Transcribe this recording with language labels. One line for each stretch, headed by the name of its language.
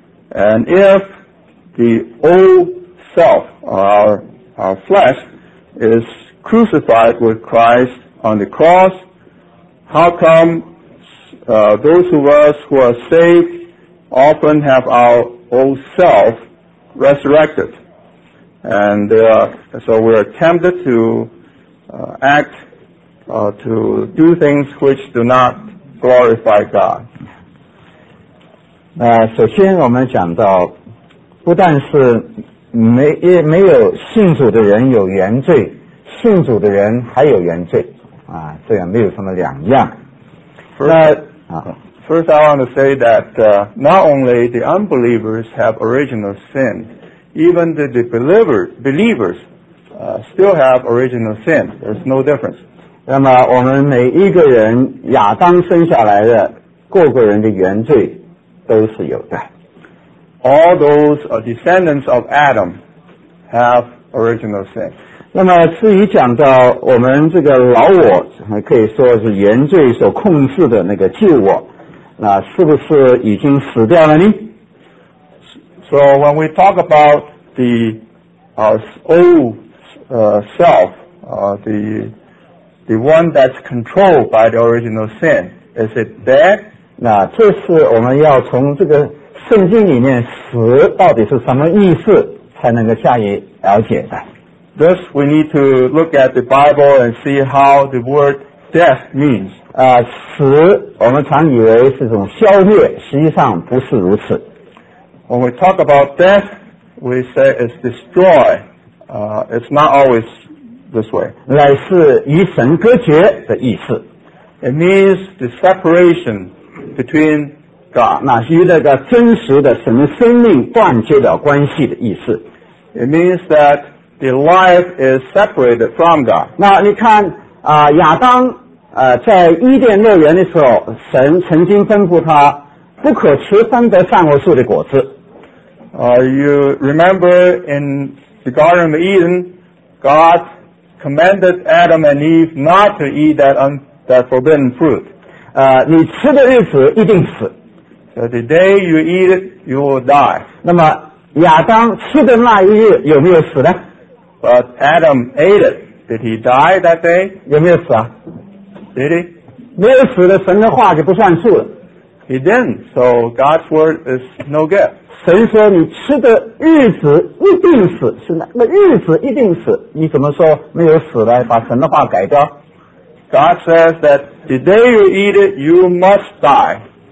English: And if the old self, our flesh, is crucified with Christ on the cross, how come those of us who are saved often have our old self resurrected, And so we are tempted to act, to do things which do not glorify God.
Chinese: 首先我们讲到不但是没有信主的人有原罪，信主的人还有原罪啊，这样没有什么两样。
English: First, I want to say that not only the unbelievers have original sin, even the believers still have original sin. There's no difference.
Chinese: 那么我们每一个人亚当生下来的各个人的原罪都是有的。
English: All those descendants of Adam have original sin.
Chinese: 那么至于讲到我们这个老我，可以说是原罪所控制的那个旧我，那是不是已经死掉了呢？
English: So when we talk about the old self, the one that's controlled by the original sin, is it dead?
Chinese: 那这是我们要从这个圣经里面死到底是什么意思才能够加以了解的。
English: Thus we need to look at the Bible and see how the word death means.
Chinese: 死我们常以为是种消灭，实际上不是如此。
English: When we talk about death, we say it's destroy. It's not always this way.
Chinese: 乃是与神隔绝的意思。
English: It means the separation between God.
Chinese: 那是与那个真实的神的生命断绝了关系的意思。
English: It means that the life is separated from God.
Chinese: 那你看亚当在伊甸乐园的时候，神曾经吩咐他不可吃分得善恶树的果子。
English: You remember in the Garden of Eden, God commanded Adam and Eve not to eat that forbidden fruit.
Chinese: 你吃的日子一定死。
English: So the day you eat it, you will die.
Chinese: 那么亚当吃的那一日有没有死呢？
English: But Adam ate it. Did he die that day?
Chinese: 有没有死啊？
English: Did he?
Chinese: 没有死的神的话就不算数了。
English: He didn't, so God's word is no good.
Chinese: 神说你吃的日子一定死，是哪个日子一定死？你怎么说没有死呢？把神的话改掉。
English: God says that the day you eat it, you must die.